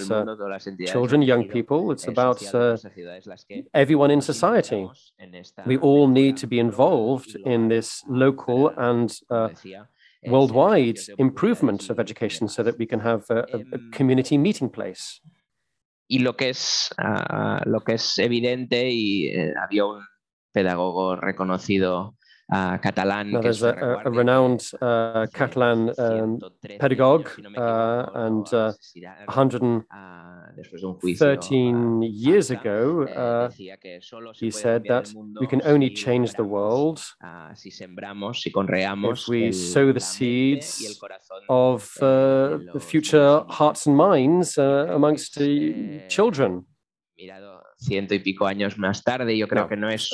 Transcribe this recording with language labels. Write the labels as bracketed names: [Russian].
[Spanish] todo el mundo, todas las entidades, [English] children, young people, it's about everyone in society. We all need to be involved in this local and worldwide improvement of education so that we can have a community meeting place. [Spanish] Y lo que es evidente, y había un pedagogo reconocido catalán. [English] Now, there's a renowned Catalan pedagogue, and 113 years ago, he said that we can only change the world if we sow the seeds of the future hearts and minds amongst the children. [Spanish] Ciento y pico años más tarde, yo creo que no es